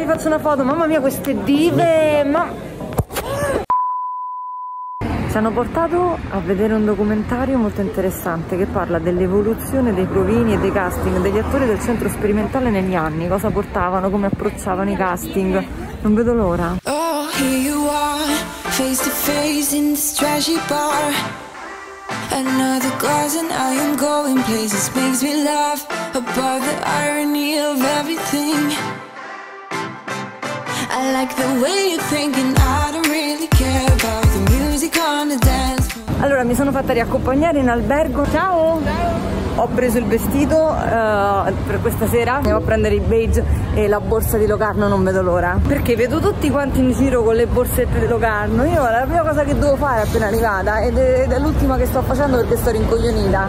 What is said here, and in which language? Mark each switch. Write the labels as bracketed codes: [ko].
[it] Vi faccio una foto, mamma mia, queste dive! Ci hanno portato a vedere un documentario molto interessante che parla dell'evoluzione dei provini e dei casting degli attori del centro sperimentale negli anni. Cosa portavano, come approcciavano i casting. Non vedo l'ora. [en] Oh, here you are, face to face in this trashy bar. Another glass and I am going places. Makes me laugh above the irony of everything. I like the way you're thinking, I don't really care about the music on the dance floor. [it] Allora, mi sono fatta riaccompagnare in albergo. Ciao! Ciao! Ho preso il vestito per questa sera, andiamo a prendere i beige e la borsa di Locarno, non vedo l'ora. Perché vedo tutti quanti in giro con le borsette di Locarno, io la prima cosa che devo fare appena arrivata ed è l'ultima che sto facendo perché sto rincoglionita.